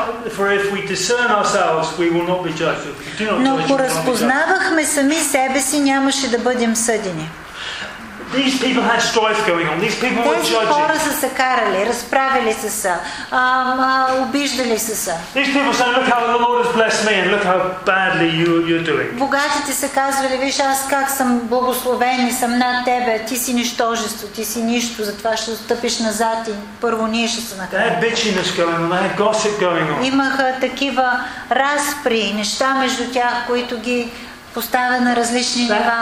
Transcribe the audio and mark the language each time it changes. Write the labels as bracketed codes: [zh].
[en] For if we discern ourselves, we will not be judged. We do not judge. [bg] Но ако разпознавахме сами себе си, нямаше да бъдем съдени. [en] These people had strife going on. These people were judging. [bg] Тези хора са се карали, разправили са, обиждали са. [en] These people said, look how the Lord has blessed me, and look how badly you're doing. [bg] Богатите са казвали, виж аз как съм благословен и съм над тебе, ти си нищожество, ти си нищо, затова ще стъпиш назад и първо ние ще се накараме. [en] They had bitchiness going on, they had gossip going on. [bg] Имаха такива разпри, неща между тях, които ги поставя на различни нива.